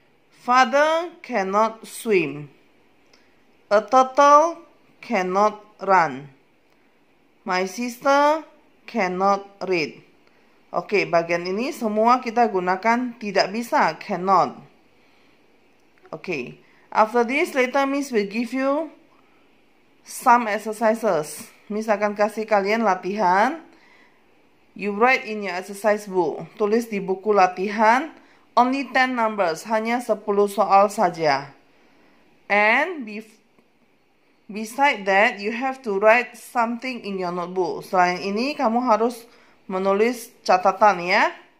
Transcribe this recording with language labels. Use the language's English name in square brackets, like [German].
[English] Father cannot swim. A turtle cannot run. My sister cannot read. [Indonesian] Okay, bagian ini semua kita gunakan tidak bisa, [English] cannot. [Indonesian] Okay. [English] After this, later Miss will give you some exercises. [Indonesian] Miss akan kasih kalian latihan. [English] You write in your exercise book. [Indonesian] Tulis di buku latihan. [English] Only 10 numbers. [Indonesian] Hanya 10 soal saja. [English] And beside that, you have to write something in your notebook. [Indonesian] Selain ini, kamu harus menulis catatan ya.